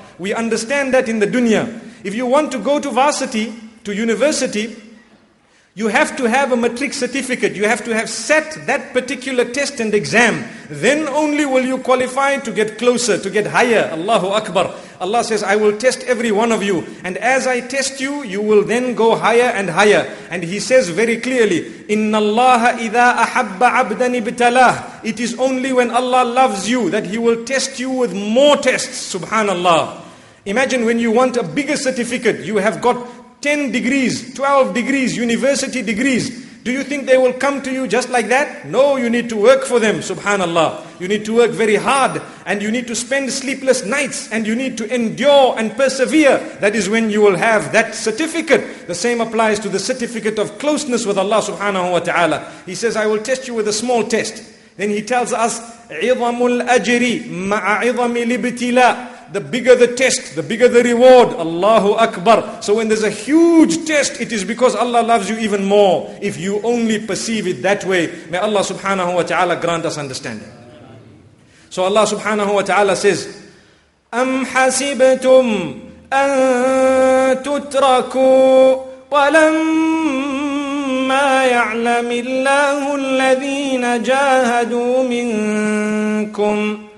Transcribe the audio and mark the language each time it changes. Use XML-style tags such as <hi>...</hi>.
<en>We understand that in the dunya. If you want to go to varsity, to university, you have to have a matric certificate. You have to have set that particular test and exam. Then only will you qualify to get closer, to get higher. Allahu Akbar. Allah says, I will test every one of you. And as I test you, you will then go higher and higher. And He says very clearly,</en> <ar>إِنَّ اللَّهَ إِذَا أَحَبَّ عَبْدًا ابْتَلَاهُ.</ar> <en>It is only when Allah loves you that He will test you with more tests. Subhanallah. Imagine when you want a bigger certificate, you have got 10 degrees, 12 degrees, university degrees. Do you think they will come to you just like that? No, you need to work for them, subhanallah. You need to work very hard, and you need to spend sleepless nights, and you need to endure and persevere. That is when you will have that certificate. The same applies to the certificate of closeness with Allah subhanahu wa ta'ala. He says, I will test you with a small test. Then he tells us,</en> <ar>عِظَمُ الْأَجْرِ مَعَ عِظَمِ الْإِبْتِلَىٰ.</ar> <en>The bigger the test, the bigger the reward. Allahu Akbar. So when there's a huge test, it is because Allah loves you even more. If you only perceive it that way, may Allah subhanahu wa ta'ala grant us understanding. So Allah subhanahu wa ta'ala says,</en> <ar>أَمْ حَسِبْتُمْ أَن تُتْرَكُوا وَلَمَّا يَعْلَمِ اللَّهُ الَّذِينَ جَاهَدُوا مِنْكُمْ.</ar>